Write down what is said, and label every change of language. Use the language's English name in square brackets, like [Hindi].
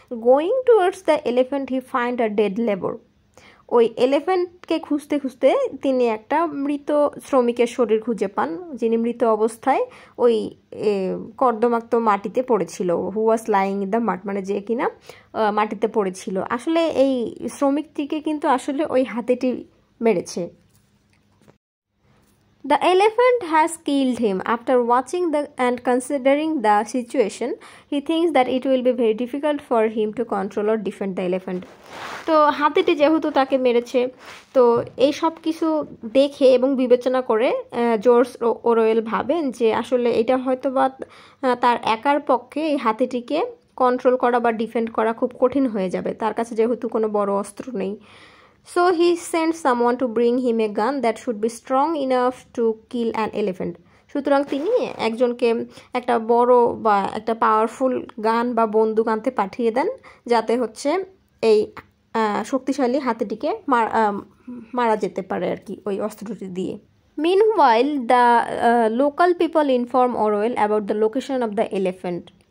[English] Going towards the elephant he find a dead labour. [Bangla] ওই এলিফেন্টকে খুঁজতে খুঁজতে তিনি একটা মৃত শ্রমিকের শরীর খুঁজে পান, যিনি মৃত অবস্থায় ওই কর্দমাক্ত মাটিতে পড়েছিল, [English] who was lying in the mud, [Bangla] মানে যে কিনা মাটিতে পড়েছিল। আসলে এই শ্রমিকটিকে কিন্তু আসলে ওই হাতিটি মেরেছে। [English] The elephant has killed him. After watching and considering the situation, he thinks that it will be very difficult for him to control or defend the elephant. [Bangla] তো হাতিটি যেহেতু তাকে মেরেছে, তো এই সব কিছু দেখে এবং বিবেচনা করে জর্জ অরওয়েল ভাবেন যে আসলে এটা হয়তো বা তার একার পক্ষে এই হাতিটিকে কন্ট্রোল করা বা ডিফেন্ড করা খুব কঠিন হয়ে যাবে, তার কাছে যেহেতু কোনো বড় অস্ত্র নেই। [English] So he sent someone to bring him a gun that should be strong enough to kill an elephant. [Bangla] সুতরাং তিনি একজনকে একটা বড় বা একটা পাওয়ারফুল গান বা বন্দুক আনতে পাঠিয়ে দেন, যাতে হচ্ছে এই শক্তিশালী হাতিটিকে মারা যেতে পারে আর কি ওই অস্ত্রটি দিয়ে। [English] Meanwhile, the local people inform Orwell about the location of the elephant.